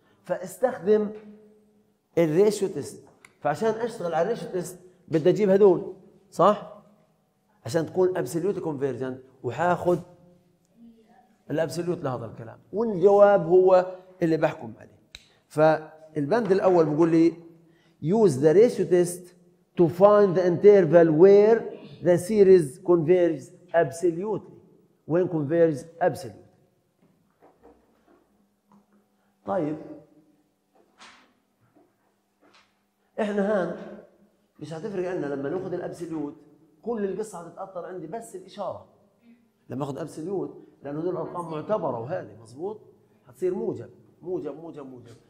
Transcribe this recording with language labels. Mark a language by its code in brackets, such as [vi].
[ar] فاستخدم الريشيو تيست. فعشان أشتغل على الريشيو تيست بدي أجيب هدول صح عشان تكون [en] absolutely convergent، [ar] وحاخد الابسولوت لهذا الكلام والجواب هو اللي بحكم عليه. فالبند الأول بيقول لي [en] use the ratio test to find the interval where the series converges absolutely، when converges absolutely. [ar] طيب احنا هان مش هتفرق عندنا لما ناخذ الابسولوت، كل القصة هتتأثر عندي بس الإشارة لما أخذ أبسليوت، لأنه دول الأرقام معتبرة وهذه مظبوط هتصير موجب موجب موجب موجب.